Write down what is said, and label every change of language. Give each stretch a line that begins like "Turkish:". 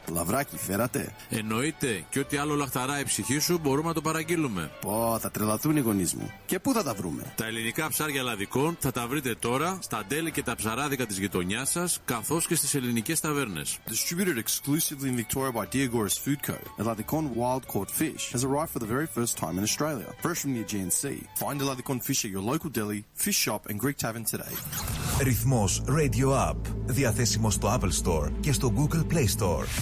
Greek: Λαβράκι φέρατε? Εννοείται, και ό,τι άλλο λαχταράει η ψυχή σου μπορούμε να το παραγγείλουμε. Πω, θα τρελαθούν οι γονείς μου. Και πού θα τα βρούμε? Τα ελληνικά ψάρια λαδικών θα τα βρείτε τώρα στα τέλη και τα ψαράδικα της γειτονιάς σας, καθώς και στις ελληνικές ταβέρνες.
English: Distributed exclusively in Victoria by Diagoras Food Co. Ελλαδικών Wild Caught Fish has arrived for the very first time in Australia, fresh from the Aegean Sea. Find Ελλαδικών Fish at your local deli, fish shop and Greek tavern today.
Greek: Ρυθμός Radio App. Διαθέσιμο στο Apple Store και στο Google Play Store.